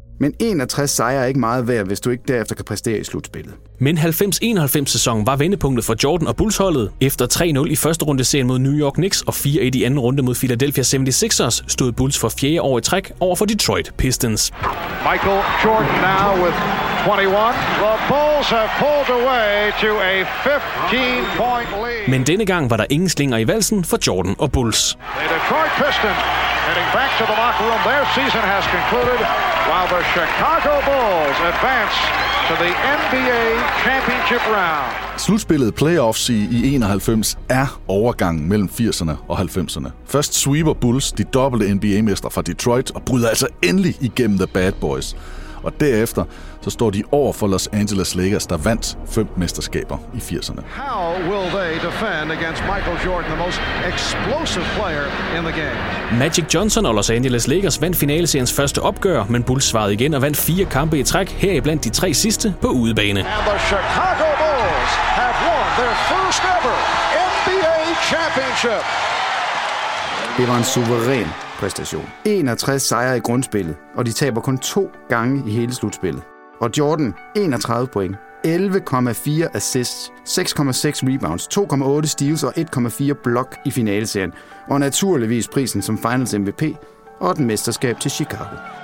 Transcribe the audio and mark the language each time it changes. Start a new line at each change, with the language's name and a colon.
Danish: Men 61 sejre er ikke meget værd, hvis du ikke derefter kan præstere i slutspillet. Men 90-91 sæsonen var vendepunktet for Jordan og Bulls-holdet. Efter 3-0 i første runde serien mod New York Knicks og 4-1 i anden runde mod Philadelphia 76ers, stod Bulls for 4. år i træk over for Detroit Pistons.
English: Michael Jordan now with 21. The Bulls have pulled away to a 15-point lead.
Danish: Men denne gang var der ingen slinger i valsen for Jordan og Bulls.
English: The Detroit Pistons heading back to the locker room. Their season has concluded. While the Chicago Bulls advance to the NBA championship round.
Danish: Slutspillet playoffs i 91 er overgangen mellem 80'erne og 90'erne. Først sweeper Bulls de dobbelte NBA-mester fra Detroit og bryder altså endelig igennem The Bad Boys. Og derefter så står de over for Los Angeles Lakers, der vandt 5 mesterskaber i 80'erne.
English: How will they defend against Michael Jordan, the most explosive player in the game?
Danish: Magic Johnson og Los Angeles Lakers vandt finaleseriens første opgør, men Bulls svarede igen og vandt 4 kampe i træk, heriblandt de 3 sidste på udebane.
English: And the Chicago Bulls have won their first ever NBA championship.
Danish: Det var en suveræn præstation. 61 sejre i grundspillet, og de taber kun 2 gange i hele slutspillet. Og Jordan, 31 point, 11,4 assists, 6,6 rebounds, 2,8 steals og 1,4 block i finaleserien. Og naturligvis prisen som Finals MVP og den mesterskab til Chicago.